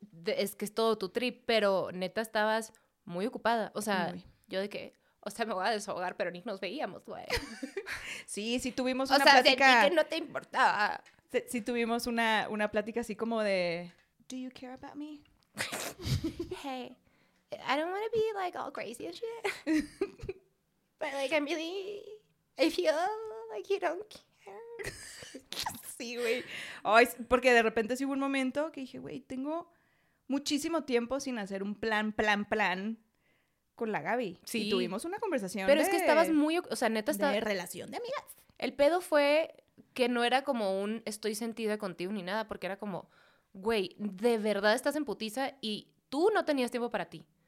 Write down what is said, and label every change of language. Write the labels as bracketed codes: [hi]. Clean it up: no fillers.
[es] Es que es todo tu trip, pero neta estabas muy ocupada. O sea, me voy a desahogar, pero ni nos veíamos, güey. sí, tuvimos una plática. O sea, sentí que no te importaba. Sí, tuvimos una plática así como de... [en] Do you care about me? Hey, I don't want to be, like, all crazy and shit. But, like, I'm really... I feel like you don't care. [es] Sí, güey. Ay, porque de repente sí hubo un momento que dije, güey, tengo... muchísimo tiempo sin hacer un plan con la Gaby. Sí. Y tuvimos una conversación. Pero es que estabas muy... O sea, neta estaba... De relación de amigas. El pedo fue que no era como un estoy sentida contigo ni nada, porque era como, güey, de verdad estás en putiza y tú no tenías tiempo para ti.